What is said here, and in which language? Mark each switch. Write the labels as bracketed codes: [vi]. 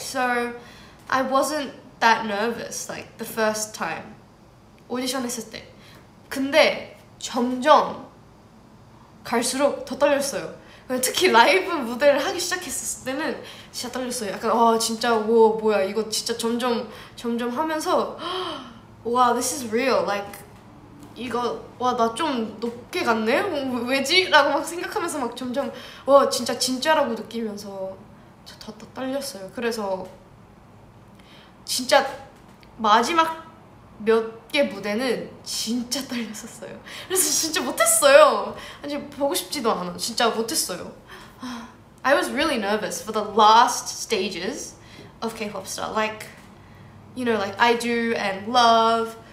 [en] So I wasn't that nervous like the first time [ko] 오디션 했을 때. 근데 점점 갈수록 더 떨렸어요. 특히 라이브 무대를 하기 시작했을 때는 진짜 떨렸어요. 약간 와 진짜 와 뭐야 이거 진짜 점점 하면서 와 [en] this is real like [ko] 이거 와 나 좀 높게 갔네? 왜지? 라고 막 생각하면서 막 점점 와 진짜 진짜라고 느끼면서 저 더 떨렸어요. 그래서 진짜 마지막 몇 개 무대는 진짜 떨렸었어요. 그래서 진짜 못했어요. 아니 보고 싶지도 않아. 진짜 못했어요. [en] I was really nervous for the last stages of K-pop star. Like, you know, like I do and love.